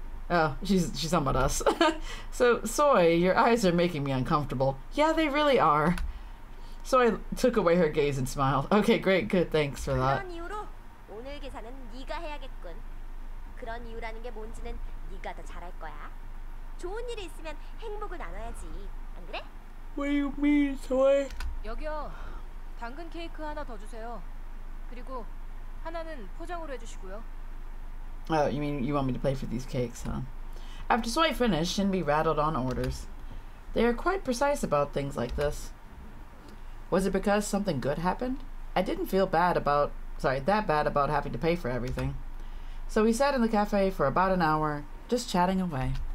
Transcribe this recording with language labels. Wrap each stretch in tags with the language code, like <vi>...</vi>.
<en>Oh, she's talking about us. So, Soy, your eyes are making me uncomfortable. Yeah, they really are. So I took away her gaze and smiled. Okay, great, good, thanks for that.</en> <ko>오늘 계산은 네가 해야겠군. 그런 이유라는 게 뭔지는 네가 더 잘할 거야. 좋은 일이 있으면 행복을 나눠야지. 안 그래?</ko> <en>What do you mean, Soy?</en> <ko>여기요. 당근 케이크 하나 더 주세요. 그리고 하나는 포장으로 해주시고요.</ko> <en>Oh, you mean you want me to play for these cakes, huh? After Soy finished, Shinbi rattled on orders. They are quite precise about things like this. Was it because something good happened? I didn't feel that bad about having to pay for everything. So we sat in the cafe for about an hour, just chatting away.</en>